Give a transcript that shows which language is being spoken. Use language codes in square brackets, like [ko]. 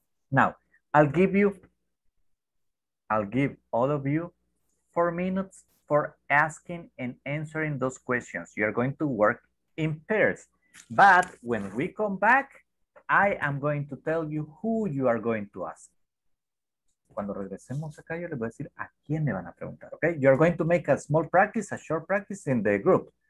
[en] Now, I'll give all of you 4 minutes for asking and answering those questions. You are going to work in pairs. But when we come back, I am going to tell you who you are going to ask. [es] Cuando regresemos acá, yo les voy a decir a quién me van a preguntar, okay? [en] You are going to make a small practice, a short practice in the group.